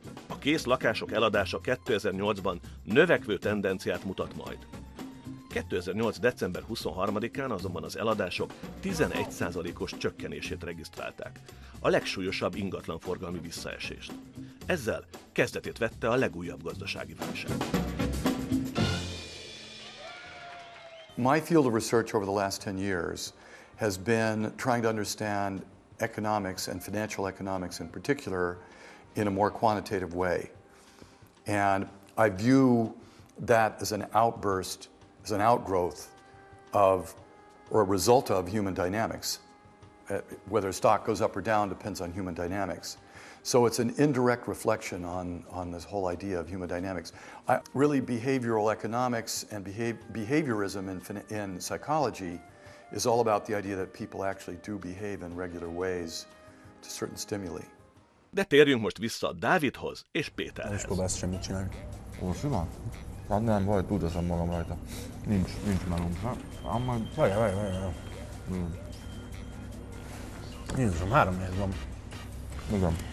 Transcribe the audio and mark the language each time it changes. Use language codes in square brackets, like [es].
[hu] A kész lakások eladása 2008-ban növekvő tendenciát mutat majd. 2008. december 23-án azonban az eladások 11%-os csökkenését regisztrálták, a legsúlyosabb ingatlanforgalmi visszaesést. Ezzel kezdetét vette a legújabb gazdasági válság. [en] My field of research over the last 10 years has been trying to understand economics and financial economics in particular in a more quantitative way. And I view that as an outburst, as an outgrowth of, or a result of human dynamics. Whether a stock goes up or down depends on human dynamics. So it's an indirect reflection on this whole idea of human dynamics. Really, behavioral economics and behaviorism in psychology is all about the idea that people actually do behave in regular ways to certain stimuli. [hu] De térjünk most vissza Dávidhoz és Péterhez. És próbálsz semmit csinálni. Orsi van? Hát nem, vagy tudozom magam rajta. Nincs melom. Hát majd... Várjál. Nézzem, 3-4 van. Igen.